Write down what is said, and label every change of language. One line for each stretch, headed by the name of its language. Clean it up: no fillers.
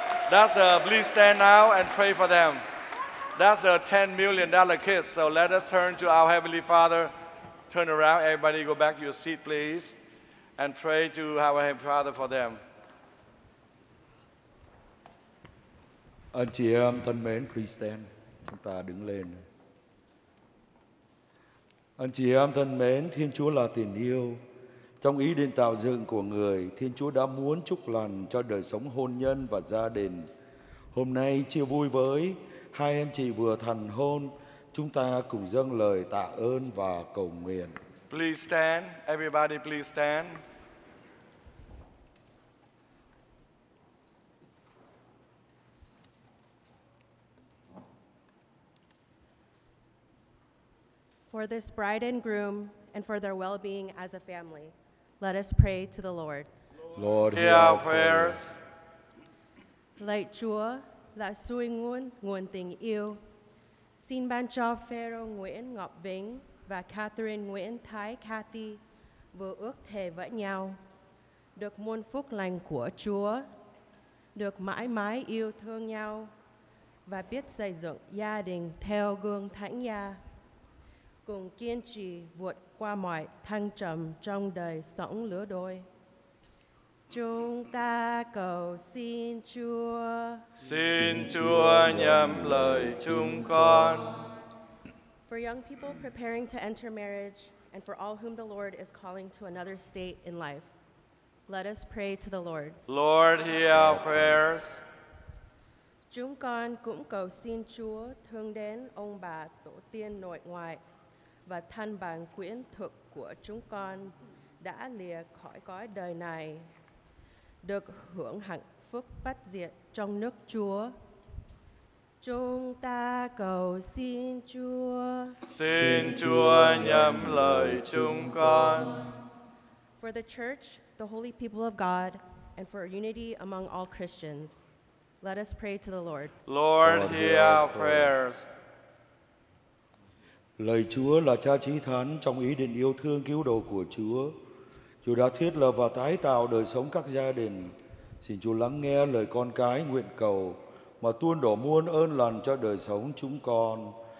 English: That's a, please stand now and pray for them. That's a $10 million kiss. So let us turn to our Heavenly Father. Turn around, everybody go back to your seat, please. And pray to our Heavenly Father for them.
Vietnamese: Anh chị em thân mến,
English: please stand.
Vietnamese: Chúng ta đứng lên. Anh chị em thân mến, Thiên Chúa là tình yêu. Trong ý định tạo dựng của Người, Thiên Chúa đã muốn chúc lành cho đời sống hôn nhân và gia đình. Hôm nay chia vui với hai anh chị vừa thành hôn, chúng ta cùng dâng lời tạ ơn và cầu nguyện.
English: Please stand, everybody please stand. For this bride and groom and for their well-being as a family. Let us pray to the Lord. Lord, hear our prayers.
Vietnamese: Lạy Chúa, là suy nguồn, nguồn tình yêu. Xin ban cho Pharaoh Nguyễn Ngọc Vĩnh và Catherine Nguyễn Thái Cathy vừa ước thề với nhau. Được muôn phúc lành của Chúa. Được mãi mãi yêu thương nhau. Và biết xây dựng gia đình theo gương thánh gia. Cùng kiên trì vượt qua mọi thăng trầm trong đời sống lứa đôi. Chúng ta cầu xin Chúa. Xin Chúa nhậm lời chúng con.
English: For young people preparing to enter marriage and for all whom the Lord is calling to another state in life, let us pray to the Lord. Lord, hear our prayers.
Vietnamese: Chúng con cũng cầu xin Chúa thương đến ông bà tổ tiên nội ngoại và thân bằng quyến thuộc của chúng con đã lìa khỏi cõi đời này, được hưởng hạnh phúc bất diệt trong nước Chúa. Chúng ta cầu xin Chúa. Xin Chúa nhậm lời chúng con.
English: For the church, the holy people of God, and for unity among all Christians, let us pray to the Lord. Lord, hear our prayers.
Vietnamese: Lạy Chúa là Cha chí thánh trong ý định yêu thương cứu độ của Chúa. Chúa đã thiết lập và tái tạo đời sống các gia đình. Xin Chúa lắng nghe lời con cái nguyện cầu mà tuôn đổ muôn ơn lành cho đời sống chúng con.